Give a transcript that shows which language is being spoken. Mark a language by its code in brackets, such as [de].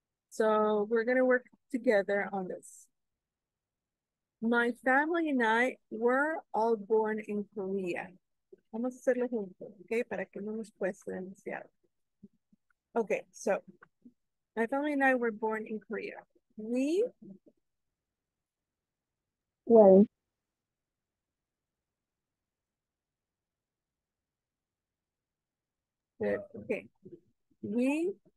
[en] So we're going to work together on this. My family and I were all born in Korea. [es] Vamos a hacerlo juntos, okay, para que no nos cueste demasiado. [en] Okay, so my family and I were born in Korea. We were. Okay. We